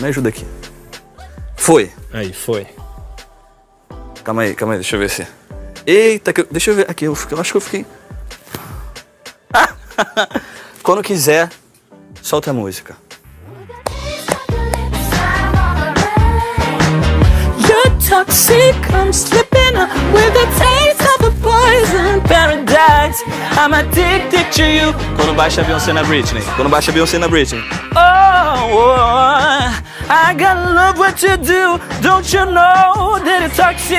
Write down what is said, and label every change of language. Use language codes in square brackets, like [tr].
[pt] Me ajuda aqui. Foi. Aí, foi. Calma aí. Deixa eu ver se... Eita, que... deixa eu ver. Aqui, eu acho que eu fiquei... Quando quiser, solta a música. [en] Toxic, I'm slipping with a taste of a poison paradise. I'm addicted to you. [pt] Quando baixa a Beyoncé na Britney. Quando baixa a Beyoncé na Britney. [en] Oh, I gotta love what you do. Don't you know that it's toxic?